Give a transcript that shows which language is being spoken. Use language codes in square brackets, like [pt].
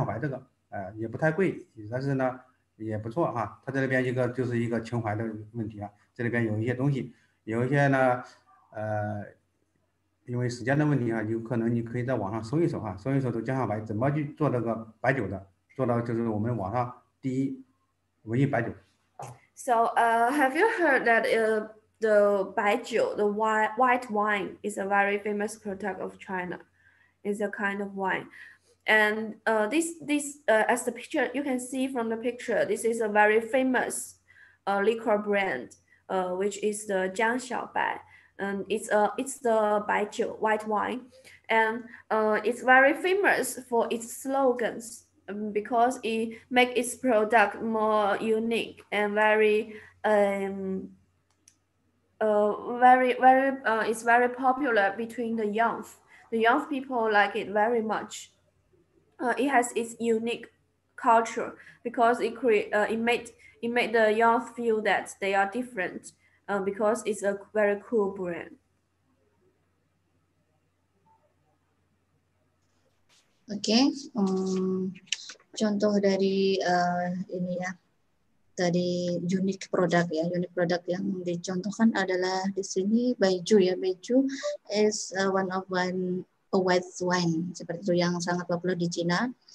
[zh] 哎，我们先看看另外一个，就是白酒。实际上，我们白酒呢，在我们中国呢，它这个文化很深的，就是酒文化。但是呢，为什么这个互联网，就是这产生了带来一个就是青春江小白，青春小酒江小白，这个网再是网红小酒哈，它为什么这个突破这个那么多酒文化很多的地方，怎么能产生这个江小白这个？也不太贵，但是呢。也不错哈，它这里边一个就是一个情怀的问题啊，这里边有一些东西，有一些呢，因为时间的问题啊，有可能你可以在网上搜一搜哈，搜一搜都江小白怎么去做这个白酒的，做到就是我们网上第一，唯一白酒。 [en] So, have you heard that the 白酒, the white wine is a very famous product of China? It's a kind of wine. And this as the picture you can see from the picture, this is a very famous liquor brand, which is the Jiang Xiaobai, and it's the baijiu, white wine, and it's very famous for its slogans because it makes its product more unique and very it's very popular between the young. The young people like it very much. It has its unique culture because it made the youth feel that they are different because it's a very cool brand. [id] Okay, contoh dari ini ya tadi unique product yang dicontohkan adalah di sini baijiu ya. [en] Baijiu is a white wine, [id] seperti itu, yang sangat populer di Cina.